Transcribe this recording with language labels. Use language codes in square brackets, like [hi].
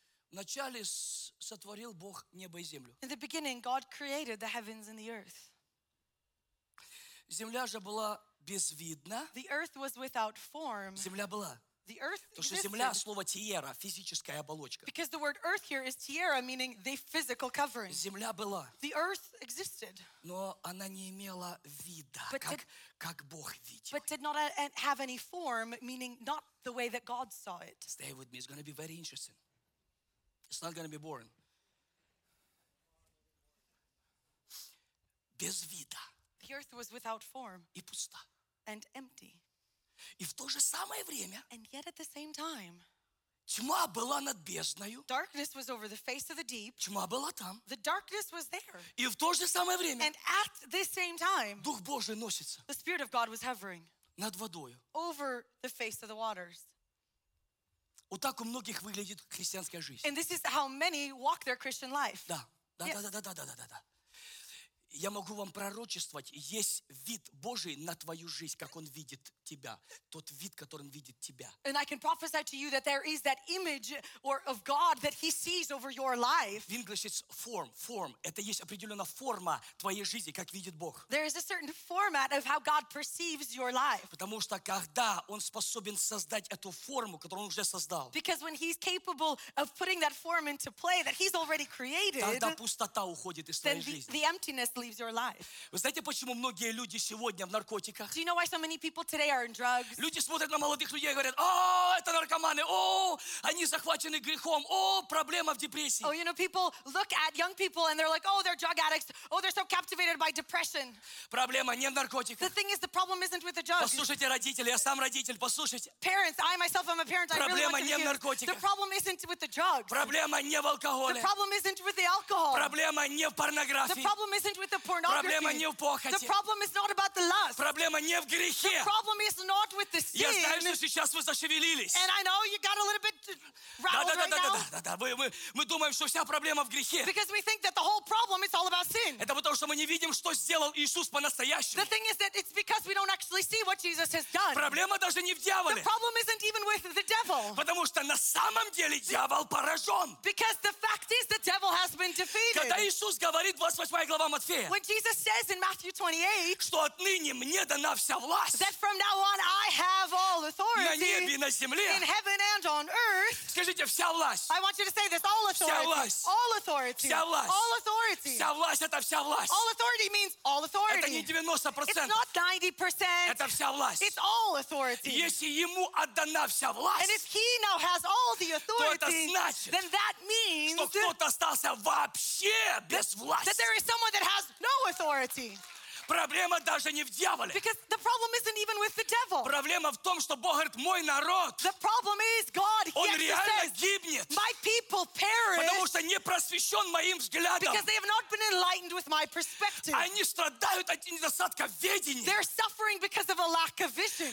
[ru] Вначале сотворил Бог небо и землю. [en] In the beginning, God created the heavens and the earth. [ru] Земля же была безвидна. [en] The earth was without form. [ru] Земля была. [en] The earth existed. [ru] Потому что земля, слово тиера, физическая оболочка. [en] Because the word earth here is tiera, meaning the physical covering. [ru] Земля была. [en] The earth existed. [ru] Но она не имела вида, как Бог видел. [en] But did not have any form, meaning not the way that God saw it. Stay with me, it's going to be very interesting. It's not going to be boring. [ru] Без вида. [en] The earth was without form [ru] и пуста. [en] And empty. [ru] И в то же самое время, [en] and yet at the same time, [ru] тьма была над бездною. [en] Darkness was over the face of the deep. [ru] Тьма была там. [en] The darkness was there. [ru] И в то же самое время, [en] and at the same time, [ru] Дух Божий носится. [en] The Spirit of God was hovering [ru] над водою. [en] Over the face of the waters. [ru] Вот так у многих выглядит христианская жизнь. [en] And this is how many walk their Christian life. [ru] Да, да, [en] yes. [ru] да. Я могу вам пророчествовать, есть вид Божий на твою жизнь, как Он видит тебя. Тот вид, которым видит тебя. [en] And I can prophesy to you that there is that image or of God that He sees over your life. В English it's form. [ru] Это есть определенная форма твоей жизни, как видит Бог. [en] There is a certain format of how God perceives your life. [ru] Потому что когда Он способен создать эту форму, которую Он уже создал. [en] Because when He's capable of putting that form into play that He's already created. [ru] Тогда пустота уходит из твоей жизни. [en] Then the emptiness leaves your life. [ru] Вы знаете, почему многие люди сегодня в наркотиках? [en] Do you know why so many people today are in drugs? [ru] Люди смотрят на молодых людей и говорят: "О, это наркоманы. О, они захвачены грехом. О, проблема в депрессии." [en] Oh, you know, people look at young people and they're like, "Oh, they're drug addicts. Oh, they're so captivated by depression." [ru] Проблема не в наркотиках. [en] The thing is, the problem isn't with the drugs. [ru] Послушайте, родители, я сам родитель, послушайте. [en] Parents, I myself am a parent. [ru] Проблема [en] I really want to The problem isn't with the drugs. [ru] Проблема не в алкоголе. [en] The problem isn't with the alcohol. [ru] Проблема не в порнографии. [en] The problem isn't with the pornography. [ru] Проблема не в похоти. [en] The problem is not about the lust. [ru] Проблема не в грехе. [en] The problem is not with the sin. [ru] Я знаю, что сейчас вы зашевелились. [en] And I know you got a little bit rattled [ru] да, да, да, [en] right [ru] да, [en] now. [ru] Да, да, да, да. Мы думаем, что вся проблема в грехе. [en] Because we think that the whole problem is all about sin. [ru] Это потому, что мы не видим, что сделал Иисус по-настоящему. [en] The thing is that it's because we don't actually see what Jesus has done. [ru] Проблема даже не в дьяволе. [en] The problem isn't even with the devil. [ru] Потому что на самом деле дьявол поражен. [en] Because the fact is the devil has been defeated. [ru] Когда Иисус говорит 28 глава Матфея. [en] When Jesus says in Matthew 28. [ru] Что отныне мне дана вся власть. [en] That from now on I have all authority. [ru] На небе и на земле. [en] In heaven and on earth. [ru] Скажите, вся власть. [en] I want you to say this, all authority. [ru] Вся власть. [en] All authority. [ru] Вся власть. [en] All authority. [ru] Вся власть, это вся власть. [en] All authority means all authority. [ru] Это не 90%. [en] It's not 90%. [ru] Это вся власть. [en] It's all authority. [ru] Если ему отдана вся власть. [en] And if he now has all the authority. [ru] То это значит. [en] Then that means. [ru] Что кто-то остался вообще без власти. [en] That there is someone that has no authority. [ru] Проблема даже не в дьяволе. [en] Because the problem isn't even with the devil. [ru] Проблема в том, что Бог говорит, мой народ. [en] The problem is God. [ru] Он реально гибнет. [en] My people perish. [ru] Потому что не просвещен моим взглядом. [en] Because they have not been enlightened with my perspective. [ru] Они страдают от недостатка видения. [en] They're suffering because of a lack of vision.